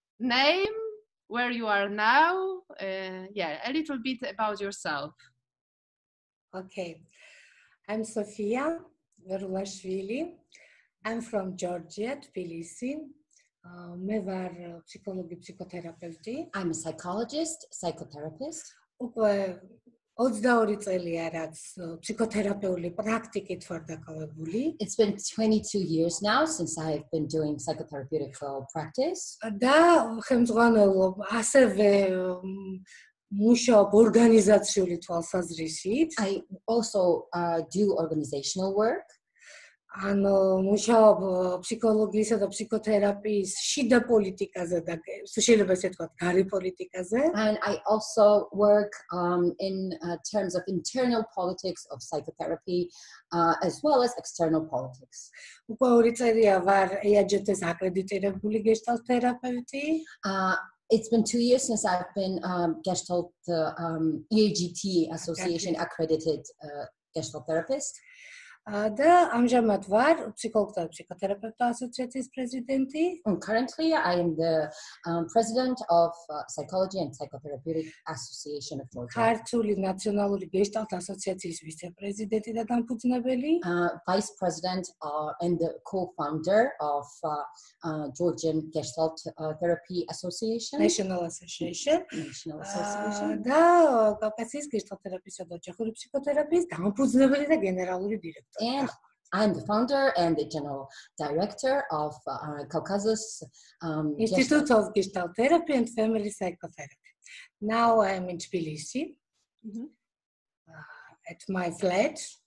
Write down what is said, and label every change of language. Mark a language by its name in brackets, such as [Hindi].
[English] name, where you are now, a little bit about yourself. Okay, I'm Sofia Verulashvili. I'm from Georgia, Tbilisi. [Georgian] Me var psikologi-psikoterapeuti. [English] I'm a psychologist, psychotherapist. [Georgian] Ukve 22 წელია რაც ფსიქოთერაპიული პრაქტიკით ვარ დაკავებული. [English] It's been 22 years now since I've been doing psychotherapeutical practice. [Georgian] Და ხელმძღვანელობ ასევე მუშაობ ორგანიზაციული თვალსაზრისით. [English] I also do organizational work. [Georgian] ანუ მუშაობ ფსიქოლოგიისა და ფსიქოთერაპიის შიდა პოლიტიკაზე და შეიძლება ესე ვთქვათ გარე პოლიტიკაზე. [English] And I also work in terms of internal politics of psychotherapy as well as external politics. [Georgian] უკვე ორი წელია ვარ EAGT-ის აკრედიტირებული გესტალტ თერაპევტი. [English] It's been 2 years since I've been Gestalt EAGT Association accredited Gestalt therapist. [Georgian] Და ამჟამად ვარ ფსიქოლოგთა ფსიქოთერაპევტთა ასოციაციის პრეზიდენტი. [English] Currently I am the president of psychology and psychotherapeutic association of Georgia. [Georgian] ქართული ნაციონალური გესტალტ ასოციაციის ვიცე-პრეზიდენტი და დამფუძნებელი. [English] Vice president and the co-founder of Georgian Gestalt Therapy Association. National association. National association. [Georgian] და კავკასიის გესტალტ თერაპიისა და ოჯახური ფსიქოთერაპიის დამფუძნებელი და გენერალური დირექტორი. [English] And I'm the founder and the general director of Caucasus Institute of Gestalt Therapy and Family Psychotherapy. Now I'm in Tbilisi at my flat.